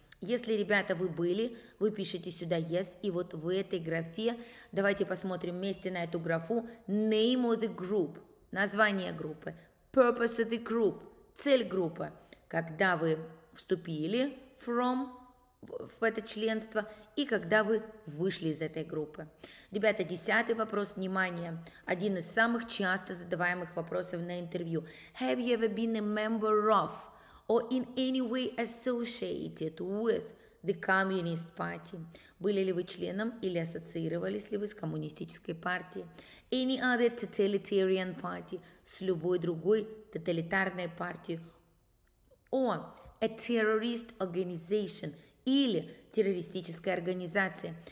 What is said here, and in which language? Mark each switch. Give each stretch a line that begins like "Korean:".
Russian: Если, ребята, вы были, вы пишете сюда yes, и вот в этой графе, давайте посмотрим вместе на эту графу,
English: name of the group,
Russian: название группы,
English: purpose of the group,
Russian: цель группы, когда вы вступили from в это членство и когда вы вышли из этой группы. Ребята, десятый вопрос, внимание, один из самых часто задаваемых вопросов на интервью.
English: Have you ever been a member of or in any way associated with the Communist Party?
Russian: Были ли вы членом или ассоциировались ли вы с коммунистической партией?
English: Any other totalitarian party,
Russian: с любой другой тоталитарной партией?
English: Or a terrorist organization,
Russian: или террористическая организация?